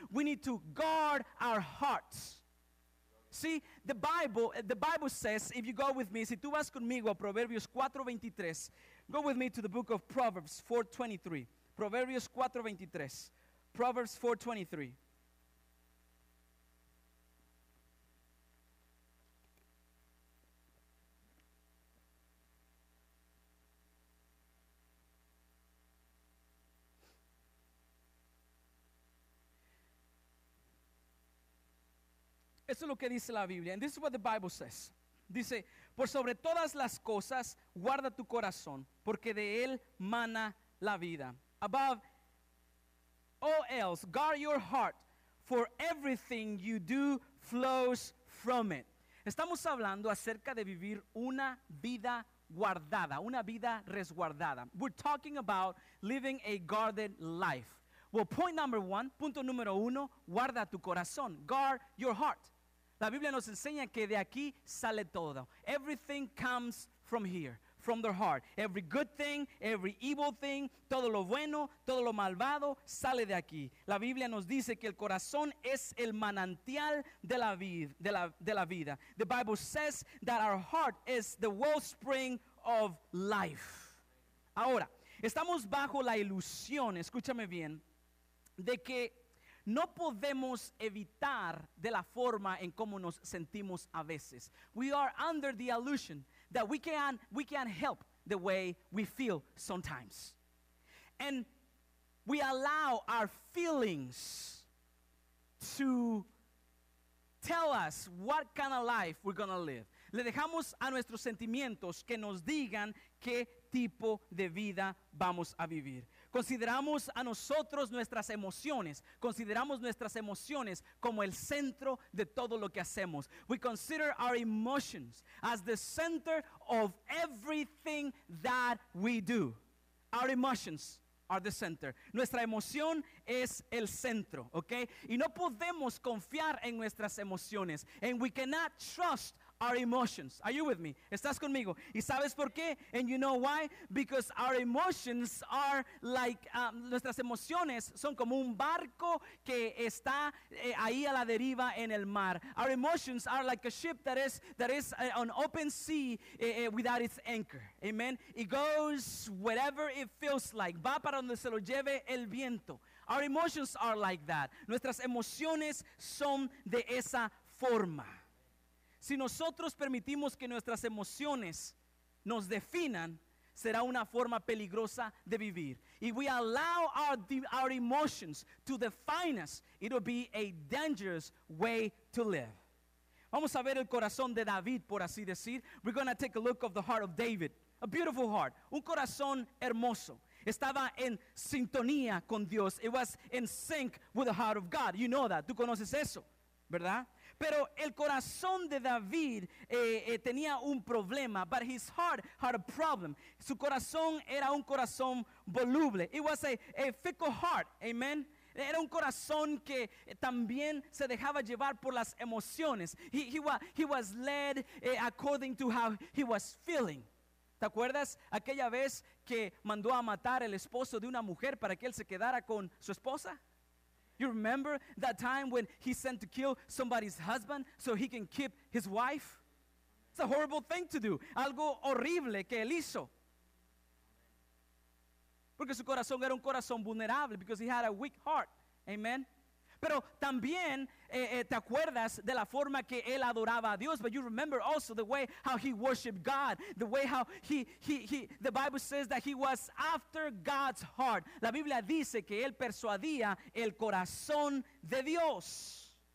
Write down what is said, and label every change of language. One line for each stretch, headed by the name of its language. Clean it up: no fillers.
English: We need to guard our hearts. See, the Bible says, if you go with me,
Spanish: si tú vas conmigo a Proverbios 4:23,
English: go with me to the book of Proverbs 4:23. Proverbios 4:23. Proverbs 4:23.
Spanish: Eso es lo que dice la Biblia.
English: And this is what the Bible says.
Spanish: Dice, por sobre todas las cosas, guarda tu corazón, porque de él mana la vida.
English: Above all else, guard your heart, for everything you do flows from it.
Spanish: Estamos hablando acerca de vivir una vida guardada, una vida resguardada.
English: We're talking about living a guarded life. Well, point number one,
Spanish: punto número uno, guarda tu corazón,
English: guard your heart.
Spanish: La Biblia nos enseña que de aquí sale todo.
English: Everything comes from here. From their heart. Every good thing, every evil thing,
Spanish: todo lo bueno, todo lo malvado, sale de aquí. La Biblia nos dice que el corazón es el manantial de la vida.
English: The Bible says that our heart is the wellspring of life.
Spanish: Ahora, estamos bajo la ilusión, escúchame bien, de que no podemos evitar de la forma en cómo nos sentimos a veces.
English: We are under the illusion that we can help the way we feel sometimes. And we allow our feelings to tell us what kind of life we're going to live.
Spanish: Le dejamos a nuestros sentimientos que nos digan qué tipo de vida vamos a vivir. Consideramos a nosotros nuestras emociones. Consideramos nuestras emociones como el centro de todo lo que hacemos.
English: We consider our emotions as the center of everything that we do. Our emotions are the center.
Spanish: Nuestra emoción es el centro,
English: okay?
Spanish: Y no podemos confiar en nuestras emociones.
English: And we cannot trust our emotions. Are you with me?
Spanish: ¿Estás conmigo? ¿Y sabes por qué?
English: And you know why? Because our emotions are like,
Spanish: nuestras emociones son como un barco que está ahí a la deriva en el mar.
English: Our emotions are like a ship that is on open sea without its anchor. Amen. It goes wherever it feels like.
Spanish: Va para donde se lo lleve el viento.
English: Our emotions are like that.
Spanish: Nuestras emociones son de esa forma. Si nosotros permitimos que nuestras emociones nos definan, será una forma peligrosa de vivir.
English: If we allow our emotions to define us, it will be a dangerous way to live.
Spanish: Vamos a ver el corazón de David, por así decir.
English: We're going to take a look of the heart of David. A beautiful heart.
Spanish: Un corazón hermoso. Estaba en sintonía con Dios.
English: It was in sync with the heart of God. You know that.
Spanish: Tú conoces eso, ¿verdad? Pero el corazón de David tenía un problema.
English: But his heart had a problem.
Spanish: Su corazón era un corazón voluble.
English: It was a fickle heart. Amen.
Spanish: Era un corazón que también se dejaba llevar por las emociones.
English: He was led according to how he was feeling.
Spanish: ¿Te acuerdas aquella vez que mandó a matar el esposo de una mujer para que él se quedara con su esposa?
English: You remember that time when he sent to kill somebody's husband so he can keep his wife? It's a horrible thing to do.
Spanish: Algo horrible que él hizo. Porque su corazón era un corazón vulnerable,
English: because he had a weak heart.
Spanish: Amen. Pero también te acuerdas de la forma que él adoraba a Dios.
English: But you remember also the way how he worshiped God. The way how he the Bible says that he was after God's heart.
Spanish: La Biblia dice que él persuadía el corazón de Dios.